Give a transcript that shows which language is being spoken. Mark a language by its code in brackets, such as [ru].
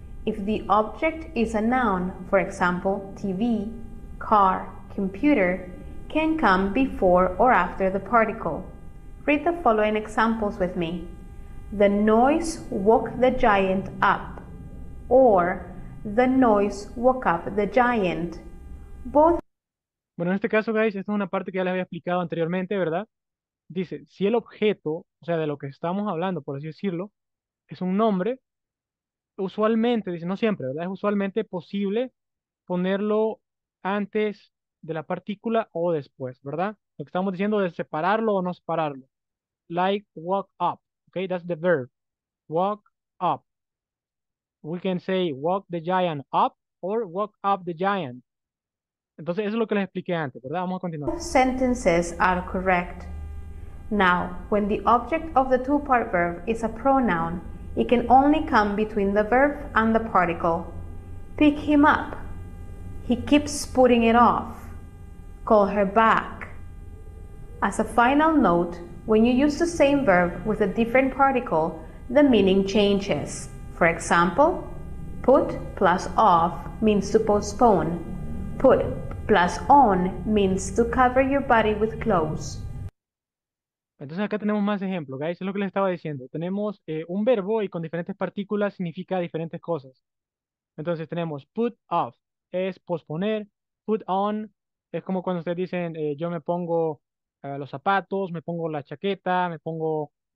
[en] If the object is a noun, for example, TV, car, computer, can come before or after the particle. Read the following examples with me. The noise woke the giant up, or the noise woke up the giant. Both. [es] Bueno, en este caso, guys, esta es una parte que ya les había explicado anteriormente, ¿verdad? Dice, si el objeto, o sea, de lo que estamos hablando, por así decirlo, es un nombre, usualmente, dice, no siempre, ¿verdad? Es usualmente posible ponerlo antes de la partícula o después, ¿verdad? Lo que estamos diciendo es separarlo o no separarlo. [en] Like walk up, okay? That's the verb. Walk up. We can say walk the giant up or walk up the giant. [es] Entonces, eso es lo que les expliqué antes, ¿verdad? Vamos a continuar. [en] Both sentences are correct. Now, when the object of the two-part verb is a pronoun, it can only come between the verb and the particle. Pick him up. He keeps putting it off. Call her back. As a final note, when you use the same verb with a different particle, the meaning changes. For example, put plus off means to postpone. Put plus on means to cover your body with clothes. [es] Entonces acá tenemos más ejemplos, guys. Es lo que les estaba diciendo. Tenemos un verbo y con diferentes partículas significa diferentes cosas. Entonces tenemos put off, es posponer. Put on, es como cuando ustedes dicen, yo me pongo los zapatos, me pongo la chaqueta, me pongo